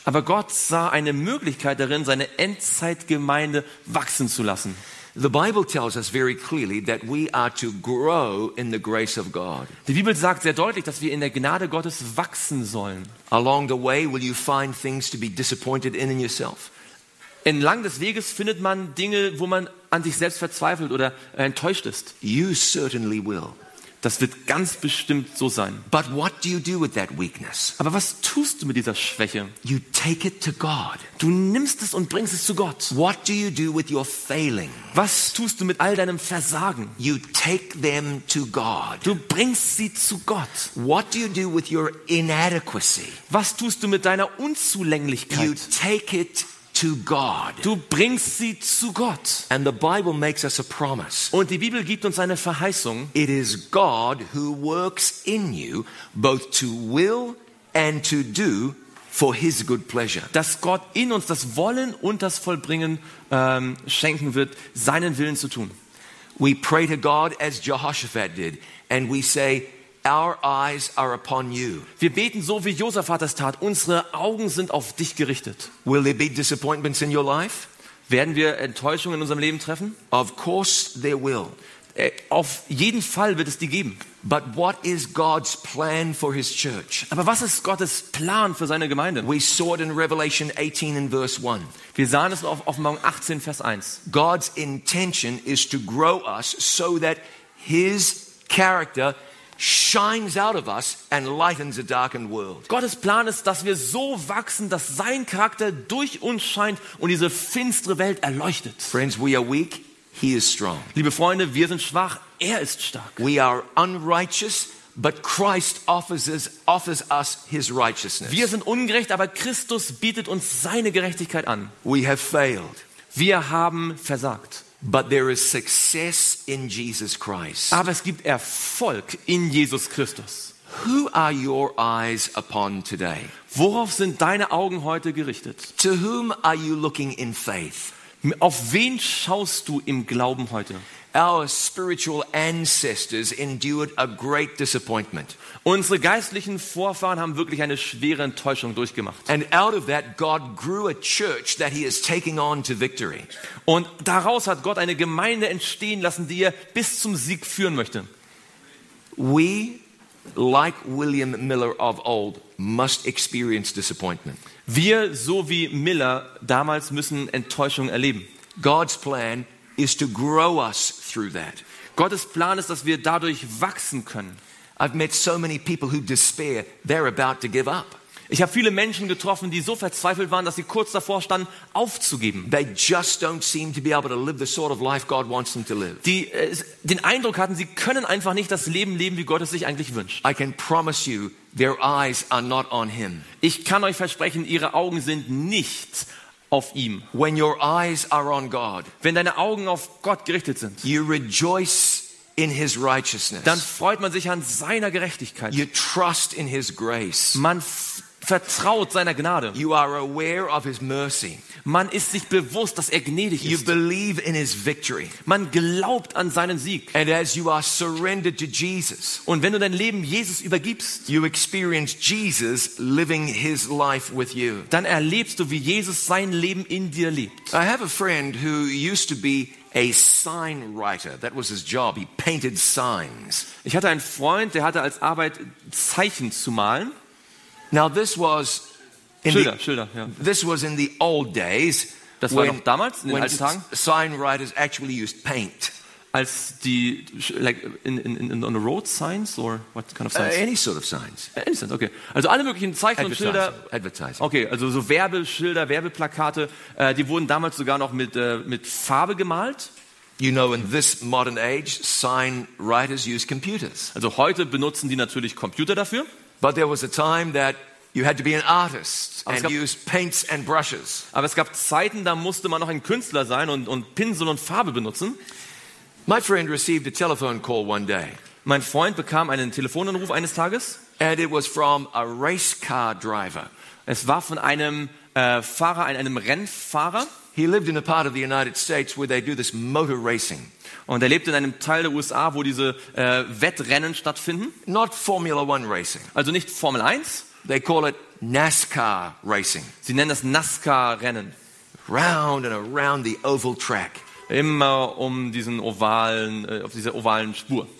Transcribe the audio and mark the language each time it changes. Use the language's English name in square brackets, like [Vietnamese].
[German] Aber Gott sah eine Möglichkeit darin, seine Endzeitgemeinde wachsen zu lassen. [English] The Bible tells us very clearly that we are to grow in the grace of God. [German] Die Bibel sagt sehr deutlich, dass wir in der Gnade Gottes wachsen sollen. [English] Along the way will you find things to be disappointed in yourself. [German] Entlang des Weges findet man Dinge, wo man an sich selbst verzweifelt oder enttäuscht ist. [English] You certainly will. [German] Das wird ganz bestimmt so sein. [English] But what do you do with that weakness? [German] Aber was tust du mit dieser Schwäche? [English] You take it to God. [German] Du nimmst es und bringst es zu Gott. [English] What do you do with your failing? [German] Was tust du mit all deinem Versagen? [English] You take them to God. [German] Du bringst sie zu Gott. [English] What do you do with your inadequacy? [German] Was tust du mit deiner Unzulänglichkeit? [English] You take it to God. [German] Du bringst sie zu Gott. [English] And the Bible makes us a promise. [German] Und die Bibel gibt uns eine Verheißung. [English] It is God who works in you both to will and to do for his good pleasure. [German] Dass Gott in uns das Wollen und das Vollbringen schenken wird, seinen Willen zu tun. [English] We pray to God as Jehoshaphat did and we say our eyes are upon you. [German] Wir beten so wie Josaphat es tat, unsere Augen sind auf dich gerichtet. [English] Will there be disappointments in your life? [German] Werden wir Enttäuschungen in unserem Leben treffen? [English] Of course there will. [German] Auf jeden Fall wird es die geben. [English] But what is God's plan for his church? [German] Aber was ist Gottes Plan für seine Gemeinde? [English] We saw it in Revelation 18 in verse 1. [German] Wir sahen es auf Offenbarung 18 Vers 1. [English] God's intention is to grow us so that his character shines out of us and lightens a darkened world. [German] Gottes Plan ist, dass wir so wachsen, dass sein Charakter durch uns scheint und diese finstere Welt erleuchtet. [English] Friends, we are weak, he is strong. [German] Liebe Freunde, wir sind schwach, er ist stark. [English] We are unrighteous, but Christ offers us his righteousness. [German] Wir sind ungerecht, aber Christus bietet uns seine Gerechtigkeit an. [English] We have failed. [German] Wir haben versagt. [English] But there is success in Jesus Christ. [German] Aber es gibt Erfolg in Jesus Christus. [English] Who are your eyes upon today? [German] Worauf sind deine Augen heute gerichtet? [English] To whom are you looking in faith? [German] Auf wen schaust du im Glauben heute? [English] Our spiritual ancestors endured a great disappointment. [German] Unsere geistlichen Vorfahren haben wirklich eine schwere Enttäuschung durchgemacht. [English] And out of that God grew a church that he is taking on to victory. [German] Und daraus hat Gott eine Gemeinde entstehen lassen, die er bis zum Sieg führen möchte. [English] We, like William Miller of old, must experience disappointment. [German] Wir, so wie Miller damals, müssen Enttäuschung erleben. [English] God's plan is to grow us through that. [German] Gottes Plan ist, dass wir dadurch wachsen können. [English] I've met so many people who despair, they're about to give up. [German] Ich habe viele Menschen getroffen, die so verzweifelt waren, dass sie kurz davor standen, aufzugeben. [English] They just don't seem to be able to live the sort of life God wants them to live. [German] Die den Eindruck hatten, sie können einfach nicht das Leben leben, wie Gott es sich eigentlich wünscht. [English] I can promise you, their eyes are not on him. [German] Ich kann euch versprechen, ihre Augen sind nicht auf ihm. [English] When your eyes are on God, [German] wenn deine Augen auf Gott gerichtet sind, [English] you rejoice in his righteousness. [German] Dann freut man sich an seiner Gerechtigkeit. [English] You trust in his grace. [German] Man vertraut seiner Gnade. [English] You are aware of his mercy. [German] Man ist sich bewusst, dass er gnädig ist. [English] You believe in his victory. [German] Man glaubt an seinen Sieg. [English] And as you are surrendered to Jesus, [German] und wenn du dein Leben Jesus übergibst, [English] you experience Jesus living his life with you. [German] Dann erlebst du, wie Jesus sein Leben in dir lebt. [English] I have a friend who used to be a sign writer. That was his job. He painted signs. [German] Ich hatte einen Freund, der hatte als Arbeit Zeichen zu malen. [English] Now this was [German] in Schilder, the, Schilder, ja. [English] This was in the old days. [German] Das war noch damals, in den alten Tagen. [English] Sign writers actually used paint. [German] Als die, [English] like in on the road signs or what kind of signs? Any sort of signs. Any sense, okay. [German] Also alle möglichen Zeichen und Schilder. [English] Advertising. [German] Okay, also so Werbeschilder, Werbeplakate, die wurden damals sogar noch mit Farbe gemalt. [English] You know, in this modern age, sign writers use computers. [German] Also heute benutzen die natürlich Computer dafür. [English] But there was a time that you had to be an artist and use paints and brushes. [German] Aber es gab Zeiten, da musste man noch ein Künstler sein und Pinsel und Farbe benutzen. [English] My friend received a telephone call one day. [German] Mein Freund bekam einen Telefonanruf eines Tages. [English] And it was from a race car driver. [German] Es war von einem Fahrer, einem Rennfahrer. [English] He lived in a part of the United States where they do this motor racing. [German] Und er lebt in einem Teil der USA, wo diese Wettrennen stattfinden. [English] Not Formula One racing. [German] Also nicht Formel 1. [English] They call it NASCAR racing. [German] Sie nennen das NASCAR-Rennen. [English] Round and around the oval track. [German] Immer um diesen ovalen, auf dieser ovalen Spur.